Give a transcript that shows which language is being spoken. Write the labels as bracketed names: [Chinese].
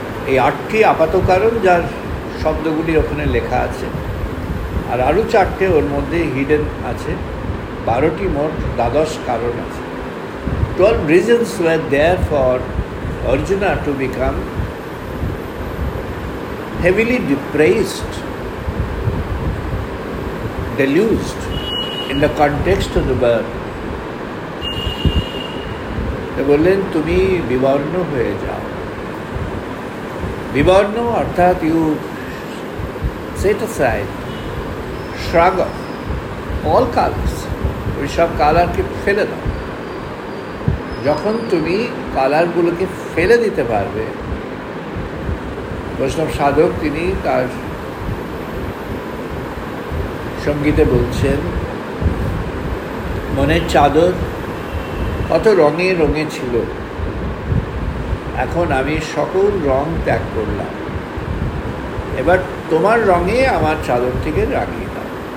[Bangla] এই আটটি আপাত কারণ যার শব্দগুলি ওখানে লেখা আছে, আর আরও চারটে ওর মধ্যে হিডেন আছে, ১২টি মোট দ্বাদশ কারণ আছে। [English] ১২ reasons were there for Arjuna to become heavily depressed, deluged in the context of the birth. [Bangla] They বললেন তুমি বিবর্ণ হয়ে যাও. বিবর্ণ অর্থাৎ [English] You set aside, shrug off all colors. [Bangla] ওই সব কালারকে ফেলে দাও. যখন তুমি কালারগুলোকে ফেলে দিতে পারবে, বৈষ্ণব সাধক তিনি তার সঙ্গীতে বলছেন, মনের চাদর কত রঙে রঙে ছিল, এখন আমি সকল রঙ ত্যাগ করলাম, এবার তোমার রঙে আমার চাদরটিকে রাখিয়ে দাও.